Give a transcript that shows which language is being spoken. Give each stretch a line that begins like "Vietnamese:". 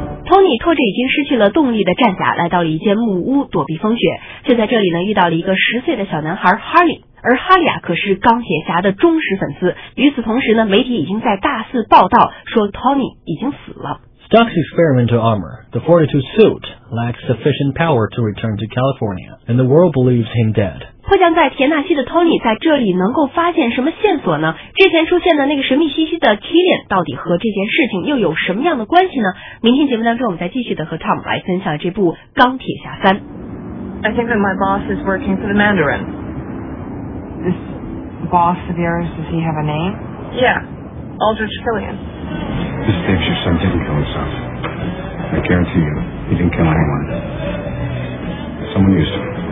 Chinese: Tony 拖着已经失去了动力的战甲来到了一间木屋躲避风雪，就在这里呢遇到了一个10岁的小男孩哈利，而哈利啊可是钢铁侠的忠实粉丝。与此同时呢，媒体已经在大肆报道说 Tony 已经死了。
English: Stark's experimental armor, the 42 suit, lacks sufficient power to return to California, and the world believes him dead.
Chinese: 迫降在田纳西的 Tony 在这里能够发现什么线索呢？之前出现的那个神秘兮兮的 Killian 到底和这件事情又有什么样的关系呢？明天节目当中，我们再继续的和 Tom 来分享这部《钢铁侠三》。
English: I think that my boss is working for the Mandarin. This boss of yours, does he have a name? Yeah, Aldrich Killian. This tape's your son didn't kill himself. I guarantee you, he didn't kill anyone. Someone used him.